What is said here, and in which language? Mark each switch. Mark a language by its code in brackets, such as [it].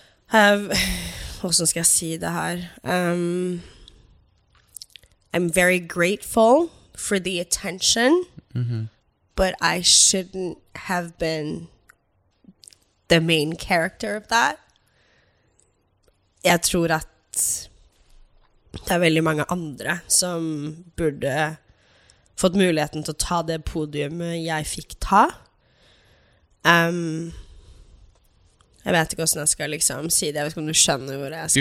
[no] Hvordan skal jeg si det her? [en] I'm very grateful for the attention, but I shouldn't have been the main character of that. [no] Jeg tror at det veldig mange andre som burde fått muligheten til å ta det podiumet jeg fikk ta. Jeg vet ikke hvordan jeg skal liksom si det Jeg vet ikke om du skjønner hvor jeg skal